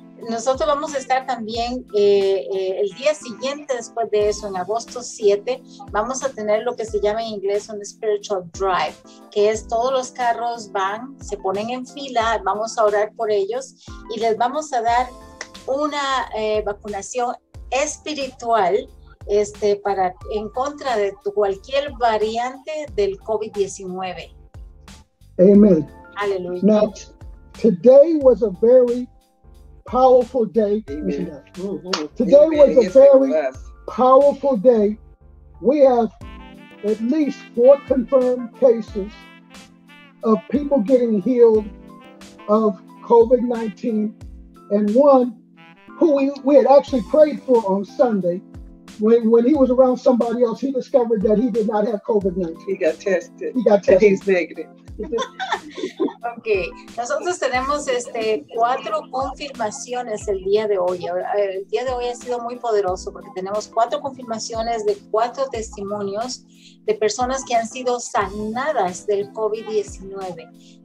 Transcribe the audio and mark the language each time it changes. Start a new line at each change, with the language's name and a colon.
Spanish: Nosotros vamos a estar también el día siguiente después de eso, en agosto 7, vamos a tener lo que se llama en inglés un
English: spiritual drive,
Spanish: que es todos los carros van, se ponen en fila, vamos a orar por ellos y les vamos a dar una vacunación espiritual para en contra de cualquier variante del COVID-19. Amen. Aleluya.
English: Now, today was a very powerful day. Today was a very powerful day. We have at least 4 confirmed cases of people getting healed of COVID-19, and one who we had actually prayed for on Sunday, when he was around somebody else, he discovered that he did not have COVID-19. He got tested. He got tested. And he's negative.
Spanish: Ok, nosotros tenemos cuatro confirmaciones el día de hoy. El día de hoy ha sido muy poderoso porque tenemos cuatro confirmaciones de cuatro testimonios de personas que han sido sanadas del COVID-19.